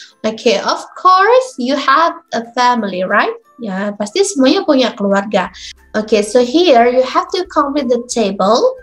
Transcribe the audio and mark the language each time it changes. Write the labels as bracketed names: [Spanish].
[English] Okay, of course, you have a family, right? [Indonesian] Ya, pasti semuanya punya keluarga. [English] Okay, so here, you have to complete the table.